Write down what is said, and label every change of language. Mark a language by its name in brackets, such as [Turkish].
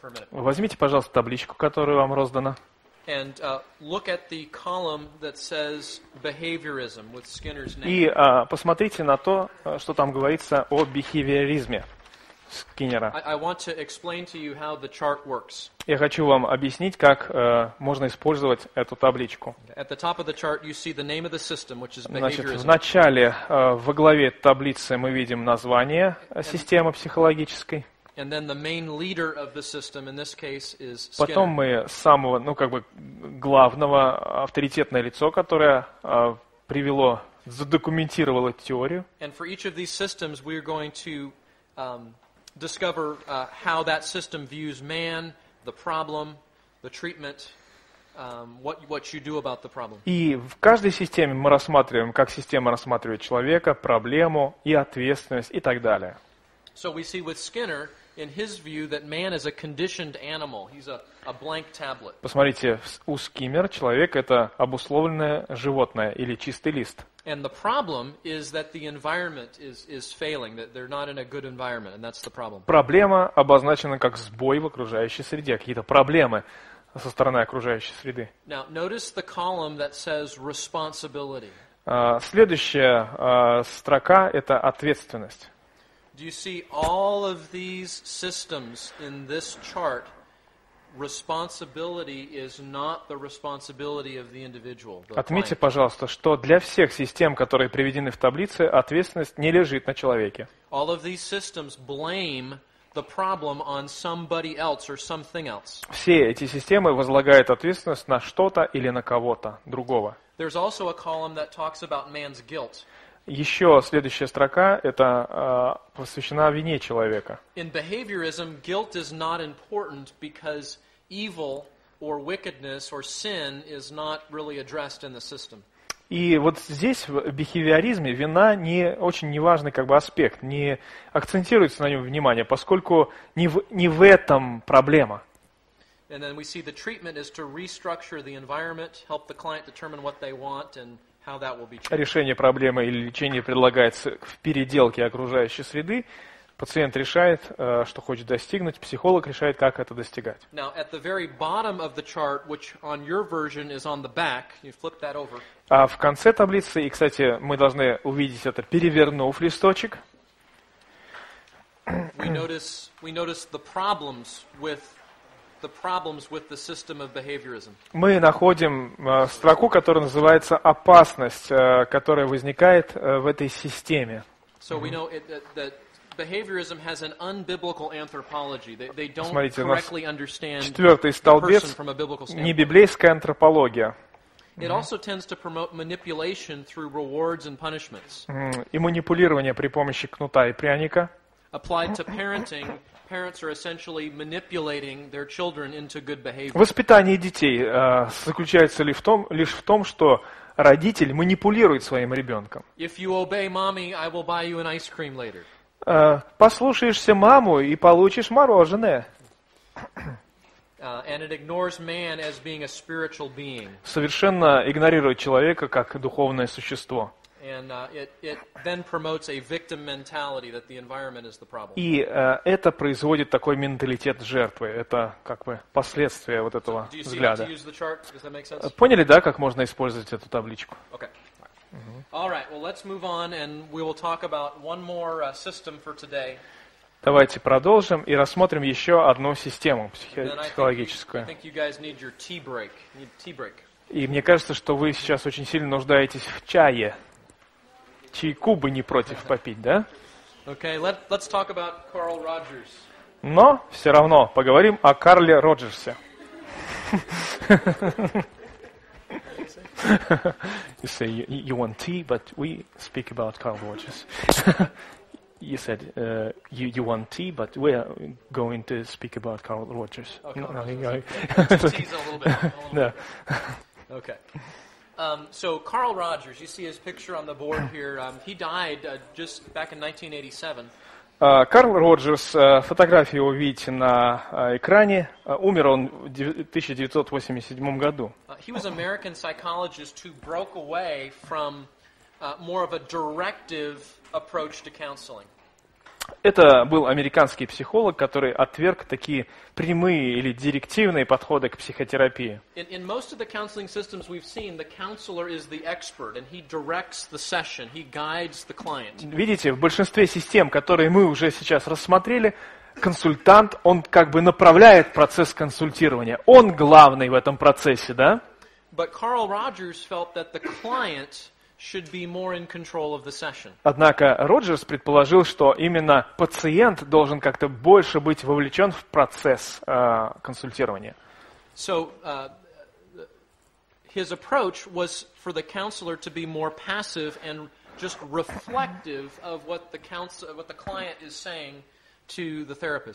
[Russian] Возьмите, пожалуйста, табличку, которая вам раздана. [English] And look at the column that says behaviorism with Skinner's name. [Russian] И посмотрите на то, что там говорится о бихевиоризме Скиннера. [English] I want to explain to you how the chart works. [Russian] Я хочу вам объяснить, как можно использовать эту табличку. [English] At the top of the chart you see the name of the system, which is behaviorism. [Russian] Значит, в начале, во главе таблицы мы видим название системы психологической. [English] And then the main leader of the system in this case is Skinner. [Russian] Потом мы самого, ну как бы главного авторитетное лицо, которое привело, задокументировало теорию. [English] And for each of these systems, we are going to discover how that system views man, the problem, the treatment, what you do about the problem. [Russian] И в каждой системе мы рассматриваем, как система рассматривает человека, проблему и ответственность и так далее. [English] So we see with Skinner. In his view, that man is a conditioned animal. He's a blank tablet. [Russian] Посмотрите, у Скиннера человек это обусловленное животное или чистый лист. [English] And the problem is that the environment is failing. That they're not in a good environment, and that's the problem. [Russian] Проблема обозначена как сбой в окружающей среде, какие-то проблемы со стороны окружающей среды. [English] Now notice the column that says responsibility. [Russian] Следующая строка это ответственность. [English] Do you see all of these systems in this chart? Responsibility is not the responsibility of the individual. [Russian] Отметьте, пожалуйста, что для всех систем, которые приведены в таблице, ответственность не лежит на человеке. [English] All of these systems blame the problem on somebody else or something else. [Russian] Все эти системы возлагают ответственность на что-то или на кого-то другого. [English] There's also a column that talks about man's guilt. [Russian] Еще следующая строка – это посвящена вине человека. [English] In behaviorism, guilt is not important because evil or wickedness or sin is not really addressed in the system. [Russian] И вот здесь в бихевиоризме вина не очень неважный как бы аспект, не акцентируется на нем внимание, поскольку не в этом проблема. [English] And then we see the treatment is to restructure the environment, help the client determine what they want and how that will be changed. [Russian] Решение проблемы или лечение предлагается в переделке окружающей среды. Пациент решает, что хочет достигнуть, психолог решает, как это достигать. [English] Now, at the very bottom of the chart, which on your version is on the back, you flip that over. [Russian] А в конце таблицы, и, кстати, мы должны увидеть это, перевернув листочек. [English] We notice the problems with the problems with the system of behaviorism. [Russian] Мы находим строку, которая называется опасность, которая возникает в этой системе. [English] So we know that behaviorism has an unbiblical anthropology. They don't [Russian] Смотрите, [English] correctly understand [Russian] четвертый столбец [English] from a biblical standpoint. [Russian] Небиблейская антропология. [English] It also tends to promote manipulation through rewards and punishments. [Russian] И манипулирование при помощи кнута и пряника. [English] Applied to parenting. Parents are essentially manipulating their children into good behavior. [Russian] Воспитание детей заключается лишь в том, что родитель манипулирует своим ребенком. [English] If you obey mommy, I will buy you an ice cream later. [Russian] Послушаешься маму и получишь мороженое. [English] And it ignores man as being a spiritual being. [Russian] Совершенно игнорирует человека как духовное существо. [English] And it then promotes a victim mentality that the environment is the problem. [Russian] И это производит такой менталитет жертвы. Это как бы последствия вот этого взгляда. [English] Do you see how to use the chart? Does that make sense? [Russian] Поняли, да, как можно использовать эту табличку? [English] Okay. All right. Well, let's move on, and we will talk about one more system for today. [Russian] Давайте продолжим и рассмотрим еще одну систему психологическую. [English] I think you guys need your tea break. Need tea break. [Russian] И мне кажется, что вы сейчас очень сильно нуждаетесь в чае. Чайку бы не против попить, да? [English] Okay, let's talk about Carl Rogers. [Russian] Но все равно поговорим о Карле Роджерсе. [English] You say you want tea, but we speak about Carl Rogers. You said you want tea, but we are going to speak about Carl Rogers. Okay, let's tease a little bit. Yeah. Okay. So Carl Rogers, you see his picture on the board here. He died just back in 1987. [Russian] Карл Роджерс, фотографию вы видите на экране. Умер он в 1987 году. [English] He was an American psychologist who broke away from more of a directive approach to counseling. [Russian] Это был американский психолог, который отверг такие прямые или директивные подходы к психотерапии. [English] In most of the counseling systems we've seen, the counselor is the expert, and he directs the session, he guides the client. [Russian] Видите, в большинстве систем, которые мы уже сейчас рассмотрели, консультант, он как бы направляет процесс консультирования. Он главный в этом процессе, да? [English] But Carl Rogers felt that the client should be more in control of the session. [Russian] Однако Роджерс предположил, что именно пациент должен как-то больше быть вовлечен в процесс консультирования. [English] So his approach was for the counselor to be more passive and just reflective of what the counselor, what the client is saying to the therapist.